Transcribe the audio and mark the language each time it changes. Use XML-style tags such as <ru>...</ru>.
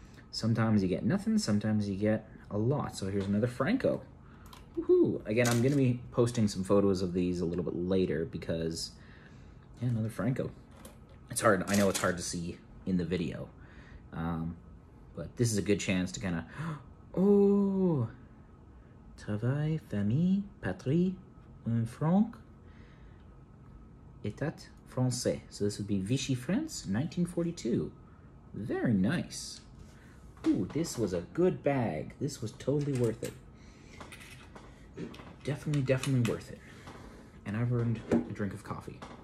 <en>Sometimes you get nothing, sometimes you get a lot. So here's another Franco. Woohoo! Again, I'm gonna be posting some photos of these a little bit later because yeah, another Franco. It's hard. I know it's hard to see in the video. But this is a good chance to kind of... Oh!</en> <fr>Travail, famille, patrie, un franc, état français.</fr> <en>So this would be Vichy France, 1942. Very nice. Ooh, this was a good bag. This was totally worth it. Definitely, definitely worth it. And I've earned a drink of coffee.</en>